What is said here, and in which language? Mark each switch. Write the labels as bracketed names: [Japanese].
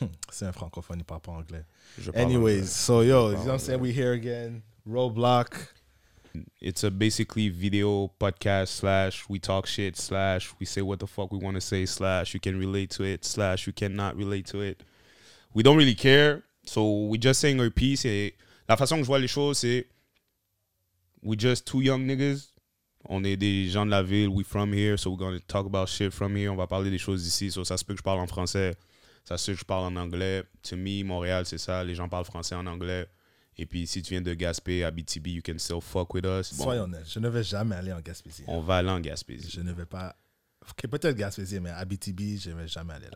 [French] C'est un francophone, pas anglais. [English] Anyways, so yo, you know what I'm saying? We here again. Roblox. It's a basically video podcast / we talk shit / we say what the fuck we want to say / you can relate to it / you cannot relate to it. We don't really care. So we just saying our piece. [French] Et la façon que je vois les choses, c'est [English] we just two young niggas. [French] On est des gens de la ville. [English] We from here. So we're going to talk about shit from here. [French] On va parler des choses d'ici. [English] So [French] ça se peut que je parle en français. Ça se peut que je parle en anglais. [English] To me, Montréal, [French] c'est ça. Les gens parlent français en anglais. Et puis, si tu viens de [English] Gaspé, Abitibi, you can still fuck with us. [French] Bon. Soyons honnêtes, je ne vais jamais aller en Gaspésie. On va aller en Gaspésie. Je ne vais pas... Ok, peut-être Gaspésie, mais Abitibi, je ne vais jamais aller là.